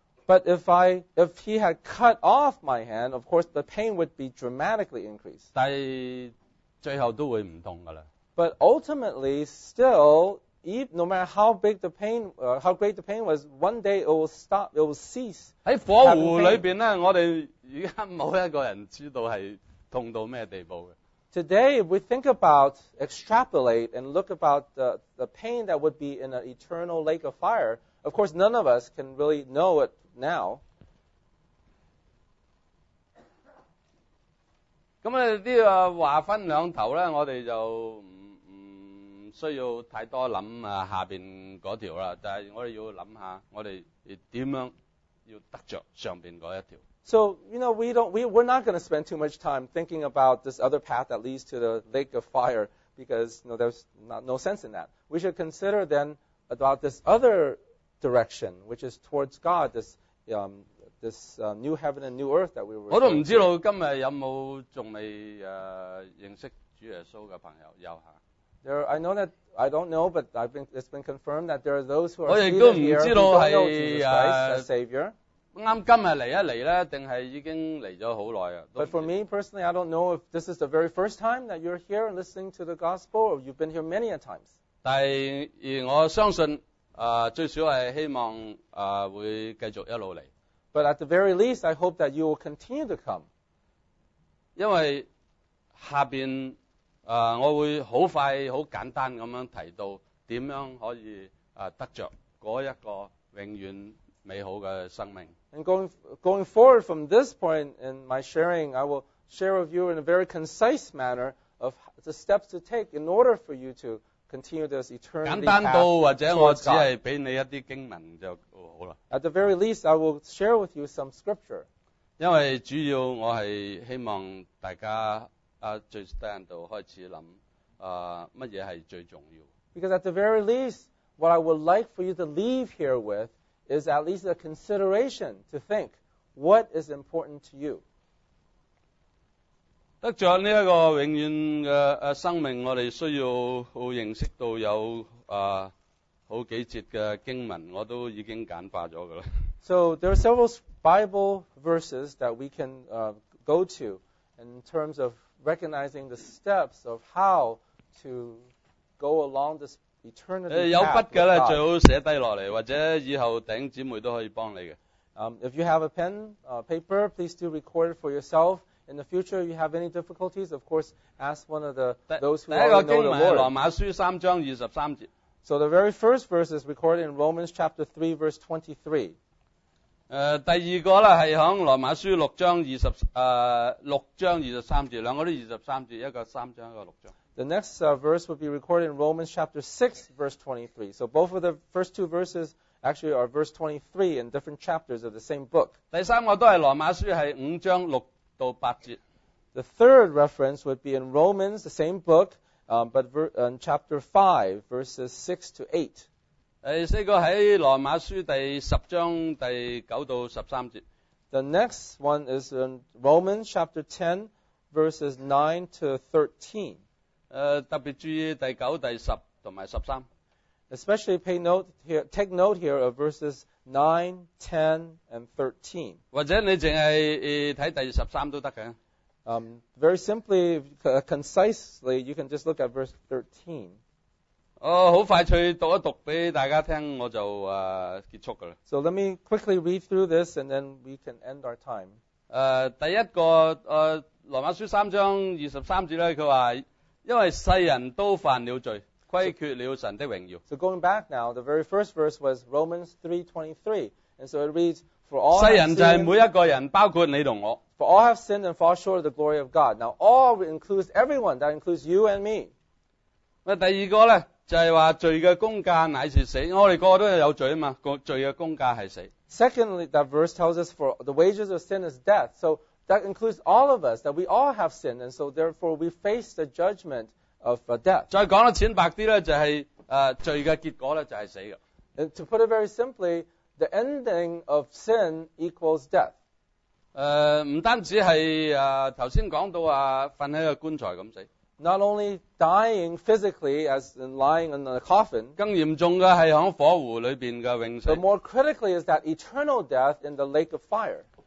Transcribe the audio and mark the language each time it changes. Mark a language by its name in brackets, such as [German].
[English] But if he had cut off my hand, of course the pain would be dramatically increased. [Cantonese] 但系最后都会唔痛噶啦。 [English] But ultimately, still, no matter how big the pain, how great the pain was, one day it will stop, it will cease. [Cantonese] 在火湖里面呢，我们现在没有一个人知道是痛到咩地步嘅。 [English] Today, if we think about, extrapolate, and look about the pain that would be in an eternal lake of fire, of course, none of us can really know it now. [Cantonese] 咁啊，啲啊话分两头咧，我哋就唔需要太多谂啊下边嗰条啦，但系我哋要谂下，我哋点样要得着上边嗰一条。 [English] So, you know, we're not going to spend too much time thinking about this other path that leads to the lake of fire because, you know, there's no sense in that. We should consider then about this other direction, which is towards God, this new heaven and new earth that we were. [Cantonese] 我都唔知道今日有冇仲未认识主耶稣嘅朋友有吓。 [English] There, I know that I don't know, but it's been confirmed that there are those who are still here who don't know Jesus Christ as Savior. [Cantonese] 啱今日嚟一嚟咧，定係已經嚟咗好耐啊 [English] ？But for me personally, I don't know if this is the very first time that you're here listening to the gospel, or you've been here many a times. [Cantonese] 但係我相信，最少係希望會繼續一路嚟。 [English] But at the very least, I hope that you will continue to come. [Cantonese] 因為下邊我會好快好簡單咁樣提到點樣可以得著嗰一個永遠美好嘅生命。 [English] And going forward from this point in my sharing, I will share with you in a very concise manner of the steps to take in order for you to continue this eternity path. [Cantonese] 簡單到或者我只係俾你一啲經文就好啦。 [English] At the very least, I will share with you some scripture. [Cantonese] 因為主要我係希望大家最低限度開始諗乜嘢係最重要。 [English] Because at the very least, what I would like for you to leave here with. Is at least a consideration to think what is important to you. [Cantonese] 得著呢一個永遠嘅生命，我哋需要認識到有好幾節嘅經文，我都已經簡化咗噶啦。 [English] So there are several Bible verses that we can go to in terms of recognizing the steps of how to go along this. [Cantonese] 有筆嘅咧，最好寫低落嚟，或者以後弟兄姊妹都可以幫你嘅。 [English] If you have a pen, paper, please do record it for yourself. In the future, if you have any difficulties, of course, ask one of those who already know the Lord. [Cantonese] 第一個經文，羅馬書三章二十三節。 [English] So the very first verse is recorded in Romans chapter 3, verse 23. [Cantonese] 第二個咧係響羅馬書六章二十三節，兩個都二十三節，一個三章，一個六章。 [English] The next verse will be recorded in Romans chapter 6, verse 23. So both of the first two verses actually are verse 23 in different chapters of the same book. [Cantonese] 第三個都是羅馬書是五章六到八節。 [English] The third reference would be in Romans, the same book, but in chapter 5, verses 6 to 8. [Cantonese] 第四個在羅馬書第十章第九到十三節。 [English] The next one is in Romans chapter 10, verses 9 to 13. [Cantonese] 特別注意第九、第十同埋十三。 [English] Especially pay note here, take note here of verses 9, 10, and 13. [Cantonese] 或者你淨係睇第十三都得嘅。 [English] Very simply, concisely, you can just look at verse 13. [Cantonese] 好快脆讀一讀俾大家聽，我就結束噶啦。 [English] So let me quickly read through this, and then we can end our time. [Cantonese] 第一個羅馬書三章二十三節咧，佢話。因為世人都犯了罪，虧缺了神的榮耀。 [English] So going back now, the very first verse was Romans 3:23, and so it reads, "For all [Cantonese] 世人就係每一個人，包括你同我。 [English] For all have sinned and fall short of the glory of God. Now all includes everyone. That includes you and me. [Cantonese] 第二個咧就係話罪嘅工價乃是死。我哋個個都有罪嘛，罪嘅工價係死。 [English] Secondly, that verse tells us for the wages of sin is death. So That includes all of us, that we all have sinned, and so therefore we face the judgment of death. [Cantonese] 再講得淺白啲咧，就係罪嘅結果咧，就係死嘅。 [English] And to put it very simply, the ending of sin equals death. [Cantonese] 唔單止係頭先講到瞓喺個棺材咁死。 [English] Not only dying physically as in lying in a coffin. [Cantonese] 更嚴重嘅係喺火湖裏邊嘅永死。 But more critically is that eternal death in the lake of fire.